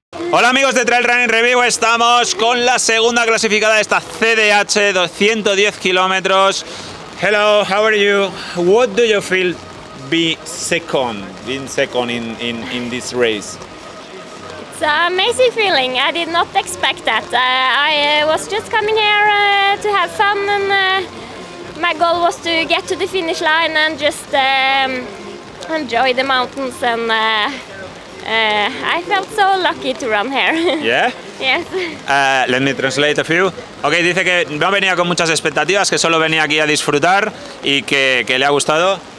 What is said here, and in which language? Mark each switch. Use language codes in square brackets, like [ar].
[es] Hola amigos de Trailrunning Review, estamos con la segunda clasificada de esta CDH, 210 kilómetros. [en] Hello, how are you? What do you feel being second in this race? It's an amazing feeling. I did not expect that. I was just coming here to have fun, and my goal was to get to the finish line and just enjoy the mountains, and I felt so lucky to run here. Yeah? Yes. Let me translate a few. [es] Okay, dice que no venía con muchas expectativas, que solo venía aquí a disfrutar y que le ha gustado.